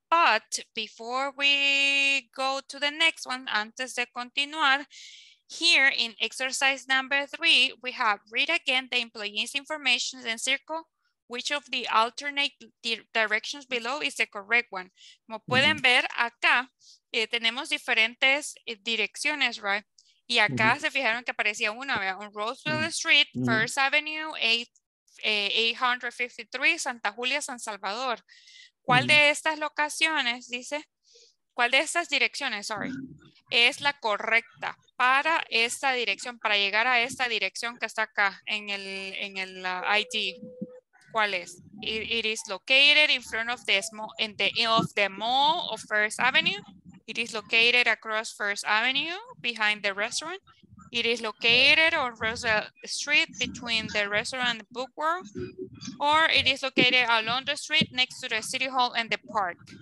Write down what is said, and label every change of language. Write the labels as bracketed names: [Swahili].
[English] But before we go to the next one, [Spanish] antes de continuar. [English] Here in exercise number three, we have read again the employees' information in circle. Which of the alternate directions below is the correct one? [Spanish] Como pueden ver acá, tenemos diferentes direcciones, right? Y acá se fijaron que aparecía una, ¿verdad? [English] On Roswell Street, First Avenue, 853, Santa Julia, San Salvador. [Spanish] ¿Cuál de estas locaciones, dice? ¿Cuál de estas direcciones, sorry? Es la correcta para esta dirección, para llegar a esta dirección que está acá en el ID. ¿Cuál es? [English] It is located in front of the mall of First Avenue. It is located across First Avenue behind the restaurant. It is located on Roosevelt Street between the restaurant and the bookworm, or it is located along the street next to the city hall and the park.